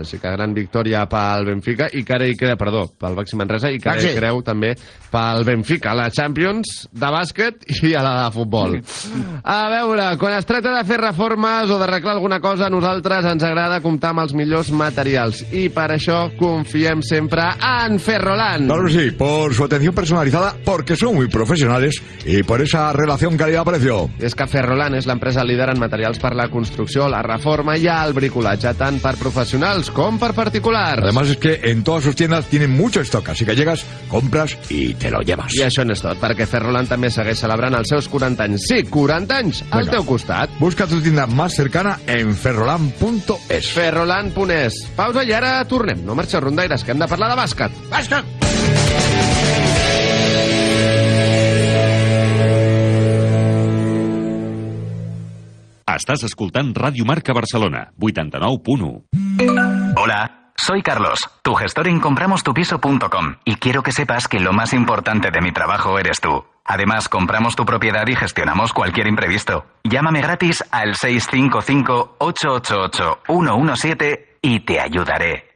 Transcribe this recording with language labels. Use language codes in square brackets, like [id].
[ca] Així que gran victòria pel Benfica i que ara hi creu, perdó, pel Baxi Manresa i que ara hi creu també pel Benfica a la Champions de bàsquet i a la de futbol. A veure, quan es tracta de fer reformes o d'arreglar alguna cosa, a nosaltres ens agrada comptar amb els millors materials i per això confiem sempre en Ferrolan. [es] Claro que sí, por su atención personalizada, porque son muy profesionales y por esa relación calidad-precio. [ca] És que Ferrolan és l'empresa líder en materials per la construcció, la reforma [es] y al bricolaje, [ca] tant per professionals com per particulars. [es] Además es que en todas sus tiendas tienen mucho stock, así que llegas, compras y te lo llevas. [ca] I això no és tot, perquè Ferrolan també segueix celebrant els seus 40 anys. Sí, 40 anys al Venga. Teu costat. [es] Busca tu tienda más cercana en ferrolan.es. [ca] Ferrolan.es. Pausa i ara tornem. No marxes rondaires, que hem de parlar de bàsquet. Bàsquet! Estàs escoltant Ràdio Marca Barcelona, 89.1. [es] Hola, soy Carlos, tu gestor en compramostupiso.com y quiero que sepas que lo más importante de mi trabajo eres tú. Además, compramos tu propiedad y gestionamos cualquier imprevisto. Llámame gratis al 655-888-117 y te ayudaré.